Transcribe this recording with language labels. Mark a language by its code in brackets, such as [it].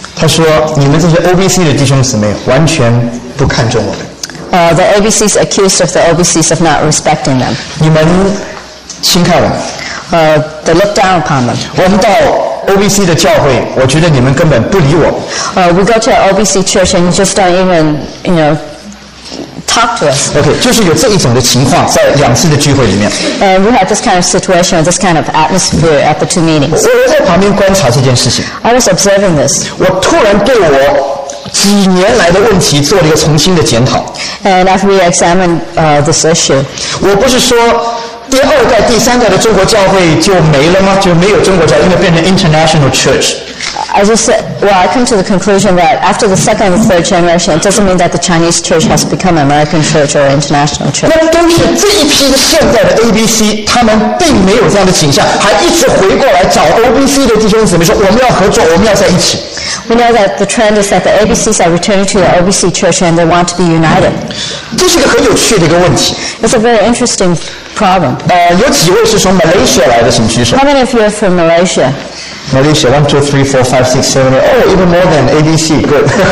[zh] 他说：“你们这些 OBC 的弟兄姊妹完全不看重我们。 [en] ”The ABCs accused of the OBCs of not respecting them. [zh] 你们轻看我。 [en] They look down upon them. [zh] 我们到 OBC 的教会，我觉得你们根本不理我。 [en] We go to OBC church and you just don't even, you know. Talk to us. [zh] Okay, 就是有这一种的情况在两次的聚会里面。 [en] And we had this kind of situation, this kind of atmosphere at the two meetings. [zh] 我在旁边观察这件事情。 [en] I was observing this. [zh] 我突然对我几年来的问题做了一个重新的检讨。 [en] And after we examined this issue. [zh] 我不是说第二代、第三代的中国教会就没了吗？就没有中国教会，因为变成 [en] international church。 I just said, well, I come to the conclusion that after the second and third generation, it doesn't mean that the Chinese church has become an American church or international church. [zh] 那都是这一批现在的 ABC, 他们并没有这样的倾向，还一直回过来找 OBC 的弟兄姊妹说，我们要合作，我们要在一起。 [en] We know that the trend is that the ABCs are returning to the OBC church and they want to be united. [zh] 这是一个很有趣的一个问题。 [en] It's a very interesting problem. [zh] 有几位是从 Malaysia 来的，请举手。 [en] How many of you are from Malaysia? Malaysia, 1, 2, 3, 4, 5, 6, 7, 8, oh, even more than ABC, good.